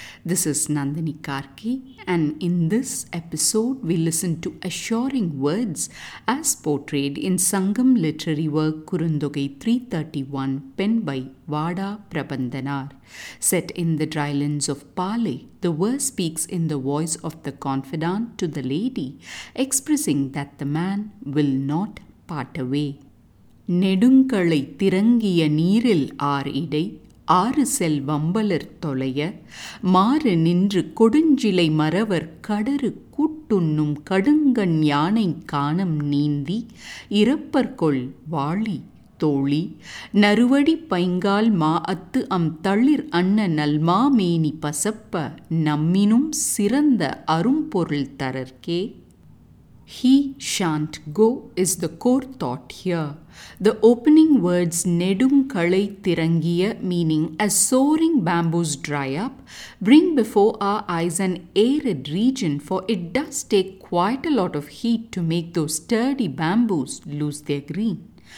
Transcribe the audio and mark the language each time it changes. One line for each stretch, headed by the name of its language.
English: This is Nandini Karki, and in this episode we listen to assuring words as portrayed in Sangam literary work Kurundogai 331, penned by Vada Prabandhanar. Set in the drylands of Pali, the verse speaks in the voice of the confidant to the lady, expressing that the man will not part away.
Tamil: நெடுங்களை திறங்கிய நீரில் R இடை ஆறு செல்வம்பலர் தொலைய மாறு நின்று கொடுஞ்சிலை மறவர் கடறு கூட்டுண்ணும் கடுங்கண் யானை காணம் நீந்தி இறப்பர்கொள் வாளி தோழி நறுவடி பைங்கால் மா அத்து அம் தளிர் அண்ண நல்மாமேனி பசப்ப நம்மினும் சிறந்த அரும்பொருள் தரர்க்கே.
English: He shan't go is the core thought here. The opening words
Tamil: nedum kalai tirangiya,
English: meaning as soaring bamboos dry up, bring before our eyes an arid region, for it does take quite a lot of heat to make those sturdy bamboos lose their green.